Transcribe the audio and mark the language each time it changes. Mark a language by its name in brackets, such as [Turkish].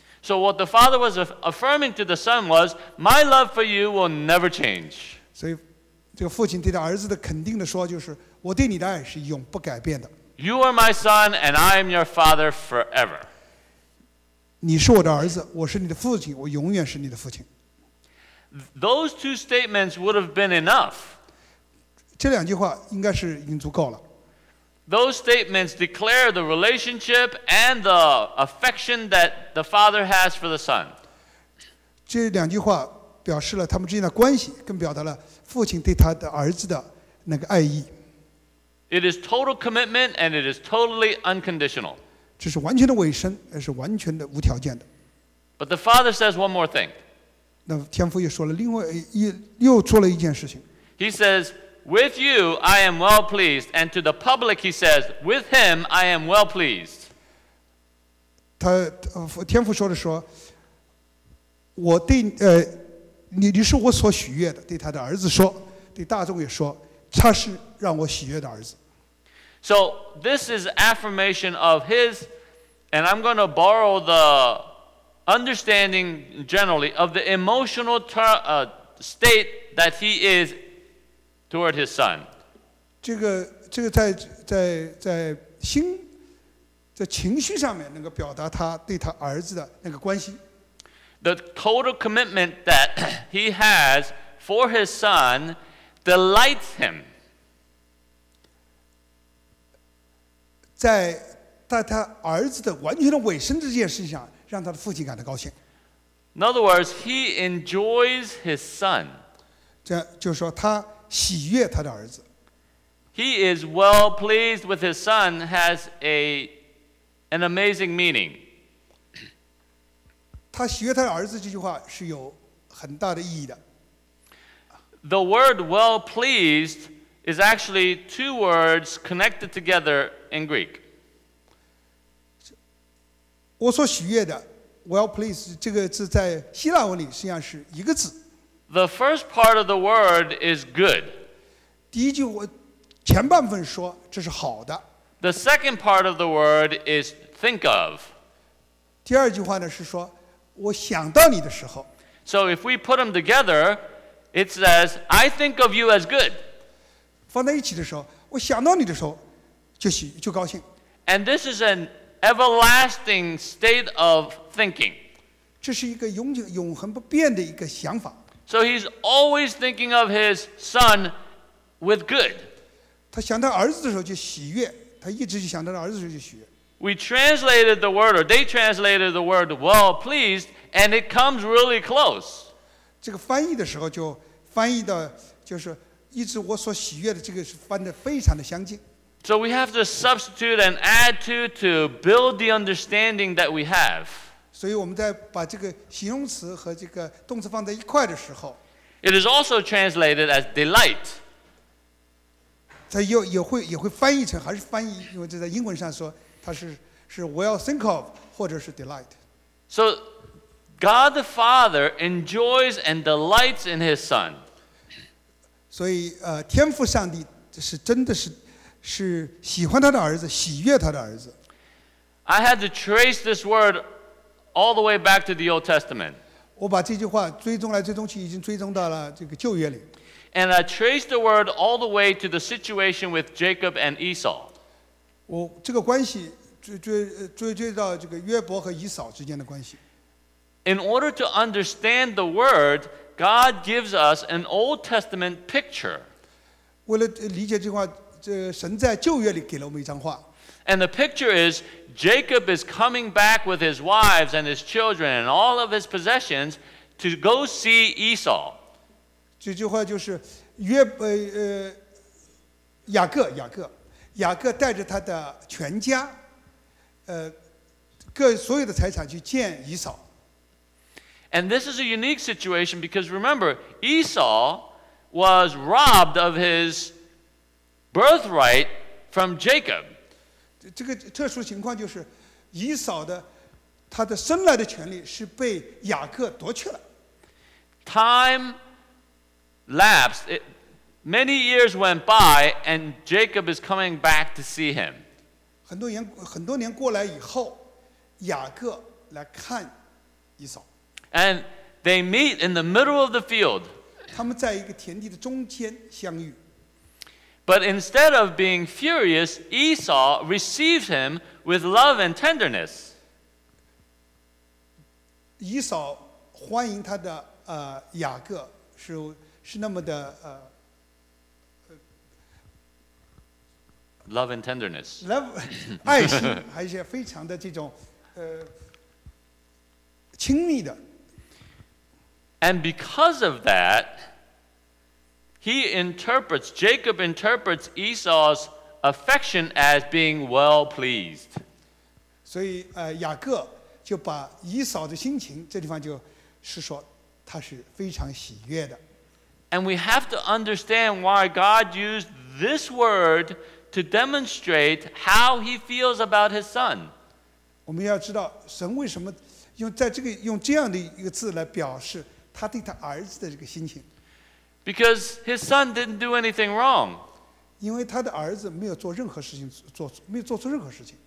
[English] So what the father was affirming to the son was, "My love for you will never change." [Chinese] 所以这个父亲对他儿子的肯定的说就是，我对你的爱是永不改变的。 [English] You are my son, and I am your father forever. [Chinese] 你是我的儿子，我是你的父亲，我永远是你的父亲。 [English] Those two statements would have been enough. [Chinese] 这两句话应该是已经足够了。 [English] Those statements declare the relationship and the affection that the father has for the son. [Chinese] 这两句话表示了他们之间的关系，更表达了父亲对他的儿子的那个爱意。 [English] It is total commitment and it is totally unconditional. [Chinese] 这是完全的委身，而是完全的无条件的。 [English] But the father says one more thing. [Chinese] 那天父又说了另外又做了一件事情。 [English] He says,With you, I am well pleased. And to the public, he says, "With him, I am well pleased." [Chinese] 他天父说的说，我对你是我所喜悦的，对他的儿子说，对大众也说，他是让我喜悦的儿子。 [English] So this is affirmation of his, and I'm going to borrow the understanding generally of the emotional state that he is. Toward his son. [Chinese] 这个在心在情绪上面能够表达他对他儿子的那个关系。 [English] the total commitment that he has for his son delights him. [Chinese] 在他儿子的完全的委身这件事情上，让他的父亲感到高兴。 [English] In other words, he enjoys his son. [Chinese] 这就是说他喜悦他的儿子。 [English] He is well pleased with his son has an amazing meaning. [Chinese] 他喜悦他的儿子这句话是有很大的意义的。 [English] The word well pleased is actually two words connected together in Greek. [Chinese] 我所喜悦的 [English] well pleased [Chinese] 这个字在希腊文里实际上是一个字。 [English] The first part of the word is good. [Chinese] 第一句我前半分说这是好的。 [English] The second part of the word is think of. [Chinese] 第二句话呢是说我想到你的时候。 [English] So if we put them together, it says, I think of you as good. [Chinese] 放在一起的时候我想到你的时候就高兴。 [English] And this is an everlasting state of thinking. [Chinese] 这是一个永恒不变的一个想法。 [English] So he's always thinking of his son with good. [Chinese] 他想到儿子的时候就喜悦，他一直就想到儿子的时候就喜悦。 [English] We translated the word, or they translated the word well pleased, and it comes really close. [Chinese] 这个翻译的时候就翻译的就是一直我所喜悦的这个是翻得非常的相近。 [English] So we have to substitute and add to build the understanding that we have. [Chinese] 所以我们在把这个形容词和这个动词放在一块的时候， [English] It is also translated as delight. [Chinese] 它 也会翻译成还是翻译，因为这在英文上说它 是 [English] well think of [Chinese] 或者是 [English] delight. So God the Father enjoys and delights in his son. [Chinese] 所以天父上帝是真的是喜欢他的儿子，喜悦他的儿子。 [English] I had to trace this word all the way back to the Old Testament. [Chinese] 我把这句话追踪来追踪去，已经追踪到了这个旧约里。 [English] And I traced the word all the way to the situation with Jacob and Esau. [Chinese] 我这个关系追到这个约伯和以扫之间的关系。 [English] In order to understand the word, God gives us an Old Testament picture. [Chinese] 为了理解这句话。神在旧约里给了我们一张画。 [English] And the picture is Jacob is coming back with his wives and his children and all of his possessions to go see Esau. [Chinese] 这句话就是约雅各带着他的全家，各所有的财产去见以扫。 [English] And this is a unique situation because remember Esau was robbed of his birthright from Jacob. [Chinese] 这个特殊情况就是以扫的他的生来的权利是被雅各夺去了。 [English] Time lapsed. Many years went by and Jacob is coming back to see him. [Chinese] 很多年过来以后雅各来看以扫。 [English] And they meet in the middle of the field. [Chinese] 他们在一个田地的中间相遇。 [English] But instead of being furious, Esau receives him with love and tenderness. [Chinese] 以扫欢迎他的雅各是那么的 [English] love and tenderness. [Chinese] Love 爱心，还是非常的这种亲密的。 [English] And because of that, Jacob interprets Esau's affection as being well pleased. [Chinese] 所以雅各就把以扫的心情，这地方就是说他是非常喜悦的。 [English] And we have to understand why God used this word to demonstrate how he feels about his son. [Chinese] 我们要知道神为什么用这样的一个字来表示他对他儿子的这个心情。 [English] Because his son didn't do anything wrong. [Chinese] 因为他的儿子没有做任何事情，没有做出任何事情。